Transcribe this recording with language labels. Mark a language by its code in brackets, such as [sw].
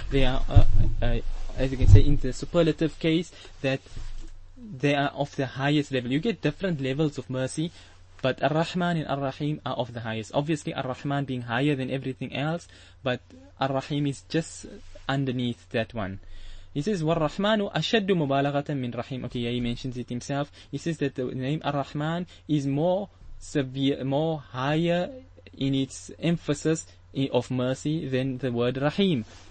[en] They are, as you can say, in the superlative case, that they are of the highest level. You get different levels of mercy, but Ar-Rahman and Ar-Rahim are of the highest. Obviously, Ar-Rahman being higher than everything else, but Ar-Rahim is just underneath that one. He says, [ar] وَالرَّحْمَانُ أَشَدُّ مُبَالَغَةً مِنْ رَحِيمٍ. [en] Okay, yeah, he mentions it himself. He says that the name Ar-Rahman is more higher in its emphasis of mercy than the word Rahim.